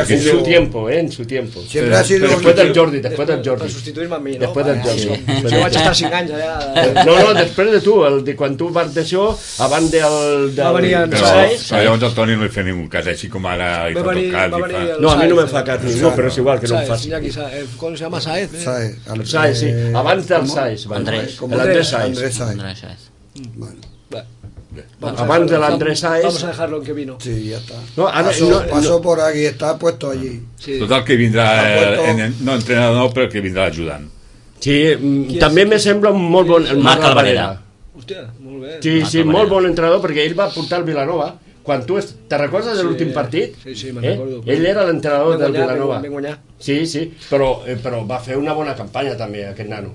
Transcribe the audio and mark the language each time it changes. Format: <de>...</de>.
<es>en su tiempo, en su tiempo. Siempre ha sido después del Jordi, después del Jordi.</es> <ca>Per substituir-me a mi, no?</ca> <es>Después del Jordi.</es> <ca>Jo vaig estar 5 anys allà. No, després de tu, quan tu vas d'això, abans del... Va venir en Saiz. Llavors el Toni no li feia ningú cas, així com ara li fa tocar. No, a mi no me fa cas ningú, però és igual que no em faci. Mira aquí, com se llama Saiz? Saiz, sí. Abans del Saiz. Andrés Saiz. Andrés Saiz. Abans de l'Andrés Saez.</ca> <es>Vamos a dejarlo en que vino. Sí, ya está. No, pasó por aquí, está puesto allí. Sí.</es> <ca>Total, que vindrà, no entrenador, però que vindrà ajudant. Sí, també me sembla un molt bon... El Marc Albareda. Hòstia, molt bé. Sí, sí, molt bon entrenador, perquè ell va portar el Vilanova. Quan tu te recordes de l'últim partit? Sí, me'n recordo. Ell era l'entrenador del Vilanova. Vam guanyar. Sí, sí, però va fer una bona campanya també, aquest nano.</ca>